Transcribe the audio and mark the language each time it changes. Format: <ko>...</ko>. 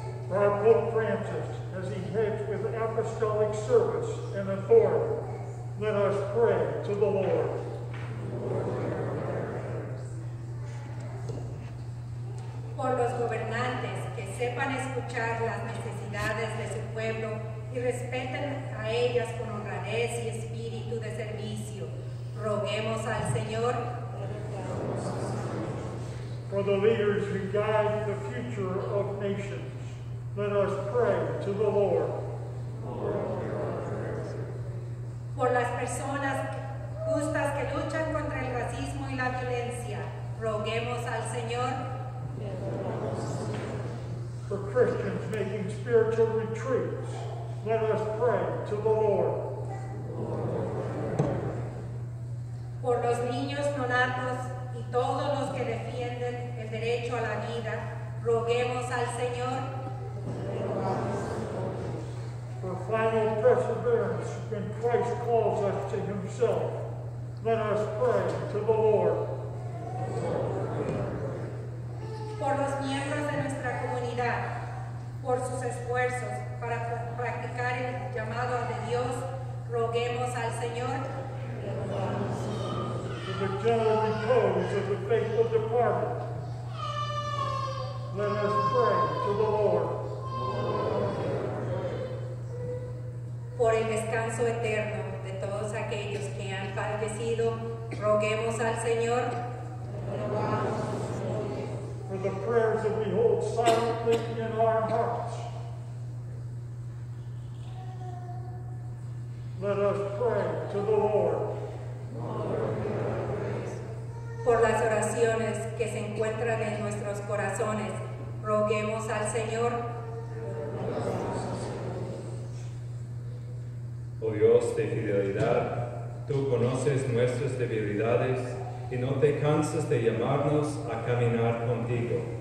<en>Our Pope Francis, as he heads with apostolic service and authority, let us pray to the Lord.</en> <es>Por los gobernantes que sepan escuchar las necesidades. necesidades de su pueblo y respeten a ellas con honradez y espíritu de servicio. Roguemos al Señor.</es> <en>For the leaders who guide the future of nations, let us pray to the Lord.</en> <es>Por las personas justas que luchan contra el racismo y la violencia, roguemos al Señor.</es> <en>For Christians making spiritual retreats, let us pray to the Lord.</en> <es>Por los niños nonatos y todos los que defienden el derecho a la vida, roguemos al Señor.</es> <en>For final perseverance when Christ calls us to himself, let us pray to the Lord.</en> <es>Por los miembros de nuestra comunidad, por sus esfuerzos para practicar el llamado de Dios, roguemos al Señor.</es> <en>For the general repose of the faithful departed, let us pray to the Lord.</en> <es>Por el descanso eterno de todos aquellos que han fallecido, roguemos al Señor.</es> <en>For the prayers that we hold silently in our hearts, let us pray to the Lord.</en> <es>Por las oraciones que se encuentran en nuestros corazones, roguemos al Señor. Oh Dios de fidelidad, tú conoces nuestras debilidades y no te cansas de llamarnos a caminar contigo.</es>